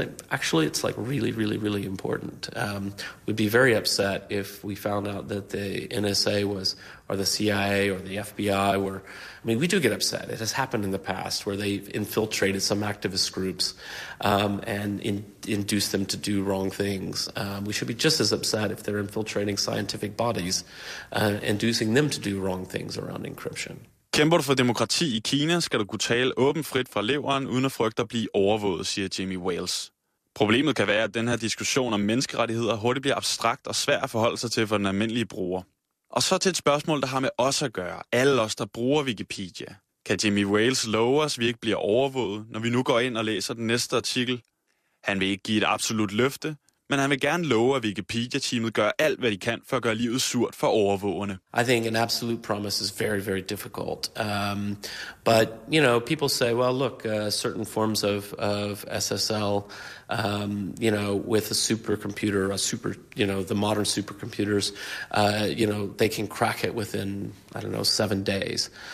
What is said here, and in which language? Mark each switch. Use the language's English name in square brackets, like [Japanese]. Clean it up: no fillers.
[English] Actually, it's like really, really, really important. We'd be very upset if we found out that the NSA was, or the CIA or the FBI were, I mean, we do get upset. It has happened in the past where they infiltrated some activist groups and induced them to do wrong things. We should be just as upset if they're infiltrating scientific bodies, inducing them to do wrong things around encryption. [Danish] Kæmper du for demokrati i Kina, skal du kunne tale åben frit fra leveren, uden at frygte at blive overvåget, siger Jimmy Wales. Problemet kan være, at den her diskussion om menneskerettigheder hurtigt bliver abstrakt og svær at forholde sig til for den almindelige bruger. Og så til et spørgsmål, der har med os at gøre, alle os, der bruger Wikipedia. Kan Jimmy Wales love os, vi ikke bliver overvåget, når vi nu går ind og læser den næste artikel? Han vil ikke give et absolut løfte, men han vil gerne love, at Wikipedia-teamet gør alt, hvad de kan for at gøre livet surt for overvågerne. [English] I think an absolute promise is very, very difficult. But, you know, people say, well, look, certain forms of SSL, you know, with a supercomputer, the modern supercomputers, you know, they can crack it within, I don't know, 7 days.